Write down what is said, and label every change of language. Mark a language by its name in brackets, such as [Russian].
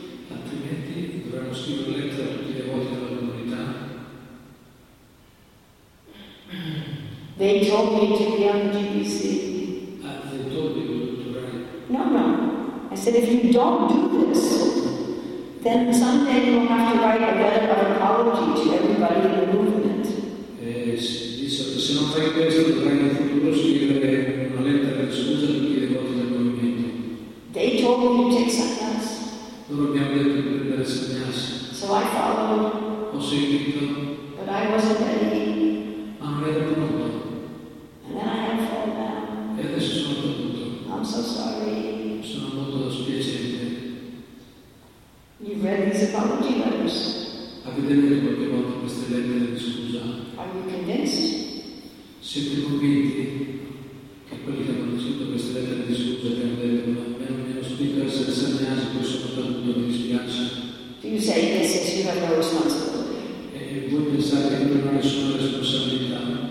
[Italian] Altrimenti dovremmo scrivere lettere tutte le volte alla comunità. [English] They told me to be on the GBC. They told me to write. No, no. I said, if you don't do this, then someday you'll have to write a letter of apology to everybody in the movement. [Italian] Se non fai questo, dovrai in futuro scrivere una lettera di scusa a tutti i devoti del movimento. [English] They told me to take sannyas. [Italian] Loro mi hanno detto di prendere sannyas. [English] So I followed. [Italian] Ho seguito. [English] But I wasn't ready. [Italian] Ma non ero pronto. [English] And then I have fallen down. [Italian] E adesso sono caduto. [English] I'm so sorry. [Italian] Sono molto dispiaciuto. [English] You've read these apology letters. [Italian] Avete letto qualche volta queste lettere di scusa? [English] Are you convinced? [Italian] Siete convinti che quelli che hanno scritto queste lettere di scusa che hanno detto non mi hanno spinto a essere sannyasi, poi sono caduto, mi dispiace. [English] Do you say this is you have no responsibility? [Italian] E voi pensate che non ho nessuna responsabilità?